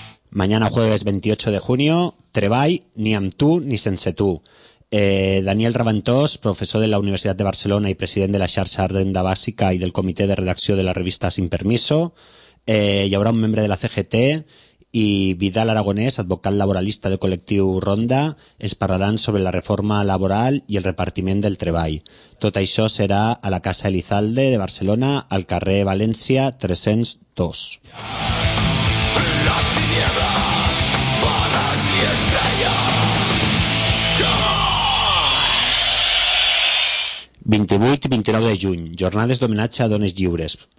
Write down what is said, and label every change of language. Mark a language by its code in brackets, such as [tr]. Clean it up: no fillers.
[es] Mañana jueves 28 de junio, [ca] Treball, ni amb tu ni sense tu. [es] Daniel Raventós, profesor de la Universidad de Barcelona y presidente de la Xarxa de Renda Básica y del comité de redacción de la revista Sin Permiso, y habrá un miembro de la CGT y Vidal Aragonés, advocat laboralista de Colectiu Ronda, [ca] es parlaran sobre la reforma laboral y el repartiment del treball. Tot això [es] será [ca] a la Casa Elizalde de Barcelona, al carrer València 302. Vint-i-vuit i vint-i-nou de juny, jornades d'homenatge a dones lliures.